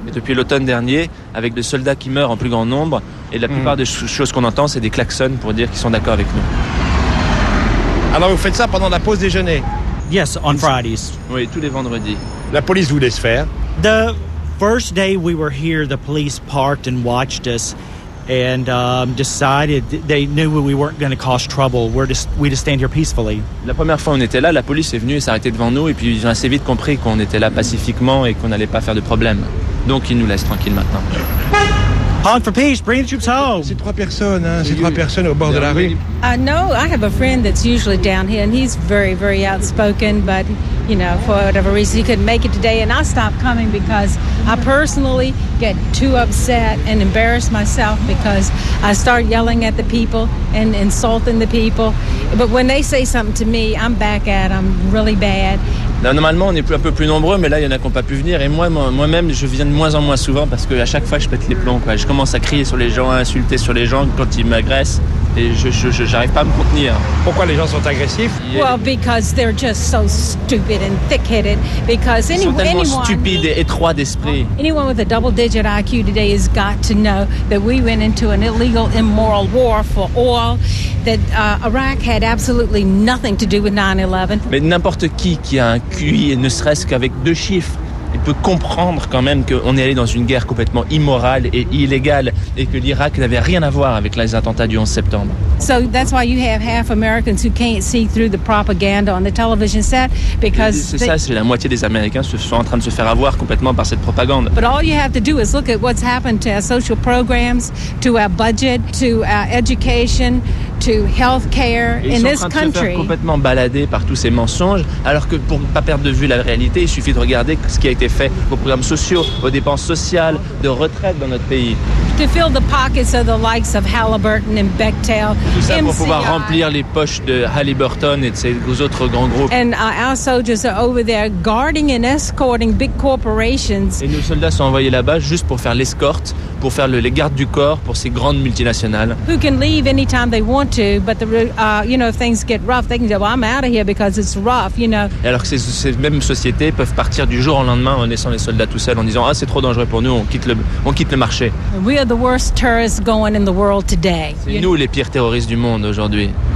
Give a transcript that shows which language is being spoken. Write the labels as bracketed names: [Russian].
[French] Et depuis l'automne dernier, avec des soldats qui meurent en plus grand nombre, et la plupart des choses qu'on entend, c'est des klaxons pour dire qu'ils sont d'accord avec nous. Alors vous faites ça pendant la pause déjeuner? [English] Yes, on Fridays. [French] Oui, tous les vendredis. La police vous laisse faire? [English] The first day we were here, the police parked and watched us and decided they knew we weren't going to cause trouble. We just stand here peacefully. [French] La première fois on était là, la police est venue et s'est arrêtée devant nous et puis ils ont assez vite compris qu'on était là pacifiquement et qu'on n'allait pas faire de problème. Donc ils nous laissent tranquilles maintenant. [English] Honk for peace, bring the troops home. [French] C'est trois personnes, hein, c'est trois personnes au bord de la rue. [English] No, I have a friend that's usually down here, and he's very, very outspoken, but, you know, for whatever reason, he couldn't make it today, and I stopped coming because I personally get too upset and embarrass myself because I start yelling at the people and insulting the people. But when they say something to me, I'm back at them really bad. [French] Normalement, on est un peu plus nombreux, mais là, il y en a qui n'ont pas pu venir. Et moi-même, je viens de moins en moins souvent parce qu'à chaque fois, je pète les plombs, quoi. Je commence à crier sur les gens, à insulter sur les gens quand ils m'agressent. Et je n'arrive pas à me contenir. Pourquoi les gens sont agressifs? [English] Well, because they're just so stupid and thick-headed. Because [French] ils sont tellement stupides et étroits d'esprit. [English] Anyone with a double-digit IQ today has got to know that we went into an illegal, immoral war for oil. That Iraq had absolutely nothing to do with 9/11. [French] Mais n'importe qui a un QI, ne serait-ce qu'avec deux chiffres, il peut comprendre quand même qu'on est allé dans une guerre complètement immorale et illégale et que l'Irak n'avait rien à voir avec les attentats du 11 septembre. [English] So that's why you have half Americans who can't see through the propaganda on the television set because [French] c'est la moitié des Américains se sont en train de se faire avoir complètement par cette propagande. [English] But all you have to do is look at what's happened to our social programs, to our budget, to our education, to healthcare in this country. [French] Ils sont en train de se faire complètement balader par tous ces mensonges, alors que pour ne pas perdre de vue la réalité, il suffit de regarder ce qui a été fait aux programmes sociaux, aux dépenses sociales, de retraite dans notre pays. [English] To fill the pockets of the likes of Halliburton and Bechtel. [French] Tout ça pour pouvoir remplir les poches de Halliburton et de ces autres grands groupes. [English] And our soldiers are over there guarding and escorting big corporations. [French] Et nos soldats sont envoyés là-bas juste pour faire l'escorte, pour faire les gardes du corps pour ces grandes multinationales. [English] Who can leave anytime they want to, but the you know, if things get rough, they can say, well, I'm out of here because it's rough, you know. [French] Et alors que ces mêmes sociétés peuvent partir du jour au lendemain en laissant les soldats tout seuls en disant, ah, c'est trop dangereux pour nous, on quitte le marché. [English] We are are the worst terrorists going in the world today. [French] C'est nous les pires terroristes du monde aujourd'hui.